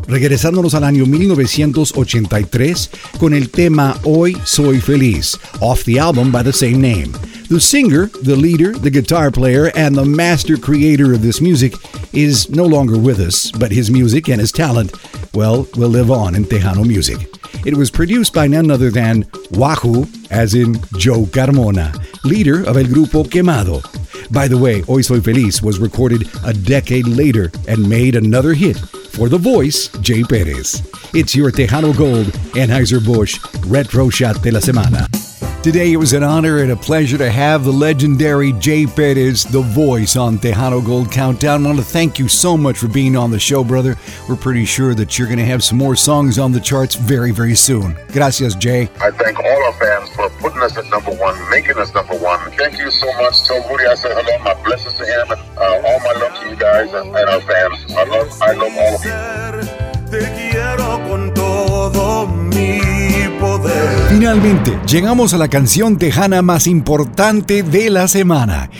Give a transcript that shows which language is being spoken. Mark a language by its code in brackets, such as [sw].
[es] Regresándonos al año 1983 con el tema Hoy Soy Feliz, [en] off the album by the same name. The singer, the leader, the guitar player, and the master creator of this music is no longer with us, but his music and his talent, well, will live on in Tejano music. It was produced by none other than Wahoo, as in Joe Carmona, leader of El Grupo Quemado. By the way, Hoy Soy Feliz was recorded a decade later and made another hit for The Voice, Jay Perez. It's your Tejano Gold, Anheuser-Busch, Retro Shot de la Semana. Today it was an honor and a pleasure to have the legendary Jay Perez, The Voice, on Tejano Gold Countdown. I want to thank you so much for being on the show, brother. We're pretty sure that you're going to have some more songs on the charts very, very soon. [es] Gracias, Jay. [en] I thank all our fans for putting us at number one, making us number one. Thank you so much. Tell Rudy I said hello. My blessings to him and all my love to you guys and our fans. I love all of you. [es] Te quiero con todo mi poder. Finalmente, llegamos a la canción tejana más importante de la semana.